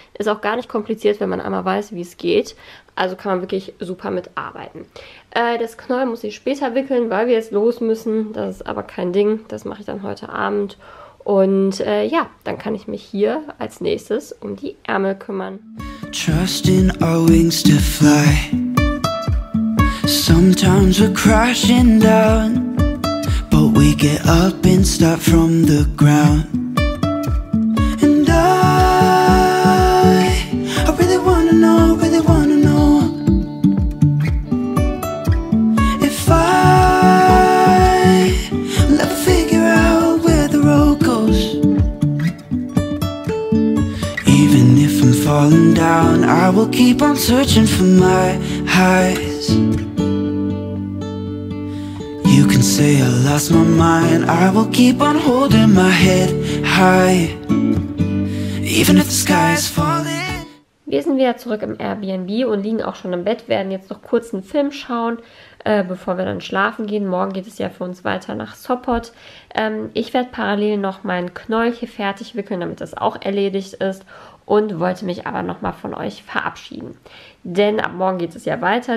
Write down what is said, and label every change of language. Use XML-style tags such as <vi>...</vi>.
<de>Ist auch gar nicht kompliziert, wenn man einmal weiß, wie es geht. Also kann man wirklich super mitarbeiten. Das Knäuel muss ich später wickeln, weil wir jetzt los müssen. Das ist aber kein Ding. Das mache ich dann heute Abend. Und ja, dann kann ich mich hier als nächstes um die Ärmel kümmern.</de> <en>Trust in our wings to fly. Sometimes we're crashing down, but we get up and start from the ground. And I really wanna know, really wanna know if I'll ever figure out where the road goes. Even if I'm falling down, I will keep on searching for my highs. Say I lost my mind, I will keep on holding my head high, even if the sky is falling.</en> <de>Wir sind wieder zurück im Airbnb und liegen auch schon im Bett, werden jetzt noch kurz einen Film schauen, bevor wir dann schlafen gehen. Morgen geht es ja für uns weiter nach Sopot. Ich werde parallel noch mein Knäuel hier fertig wickeln, damit das auch erledigt ist. Und wollte mich aber nochmal von euch verabschieden. Denn ab morgen geht es ja weiter.</de>